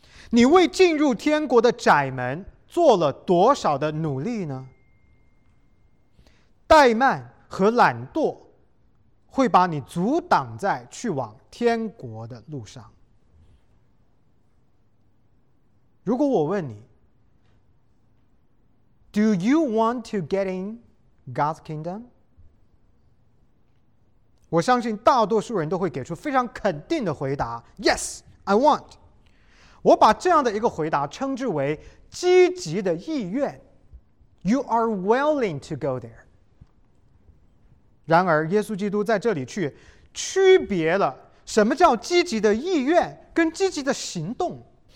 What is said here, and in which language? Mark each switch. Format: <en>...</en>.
<zh>你为进入天国的窄门做了多少的努力呢？怠慢和懒惰会把你阻挡在去往天国的路上。如果我问你，</zh> <en>Do you want to get in God's kingdom?</en> <zh>我相信大多数人都会给出非常肯定的回答，</zh> <en>Yes, I want.</en> <zh>我把这样的一个回答称之为积极的意愿，</zh> <en>You are willing to go there.</en> <zh>然而耶稣基督在这里去区别了什么叫积极的意愿跟积极的行动。</zh>